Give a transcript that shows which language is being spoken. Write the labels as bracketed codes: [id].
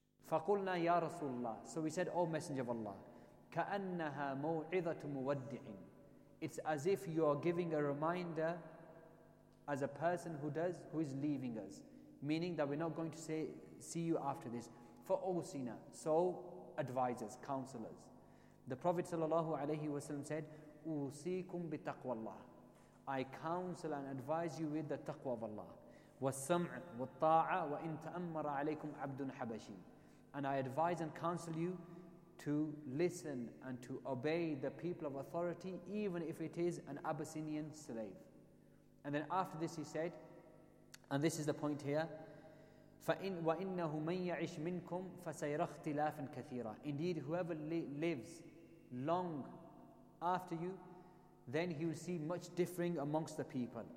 [ar] فقلنا يا رسول الله, [en] so we said, O Messenger of Allah, [ar] كَأَنَّهَا مَوْعِظَةُ مُوَدِّعٍ, [en] it's as if you are giving a reminder as a person who is leaving us, meaning that we're not going to see you after this. [ar] فَأُوْسِنَا, [en] so advisors, counselors. The Prophet sallallahu alayhi wasallam said, [ar] أُوْسِيكُمْ بِتَقْوَى اللَّهِ, [en] I counsel and advise you with the taqwa of Allah. [ar] وَالسَّمْعُ وَالطَّاعَةُ وَإِن تَأَمَّرَ عَلَيْكُمْ عَبْدٌ حَبَشِي, [en] and I advise and counsel you to listen and to obey the people of authority, even if it is an Abyssinian slave. And then after this he said, and this is the point here, [ar] وَإِنَّهُ مَنْ يَعِشْ مِنْكُمْ فَسَيْرَ اخْتِلَافٍ كَثِيرًا. [en] Indeed, whoever lives long after you, then he will see much differing amongst the people.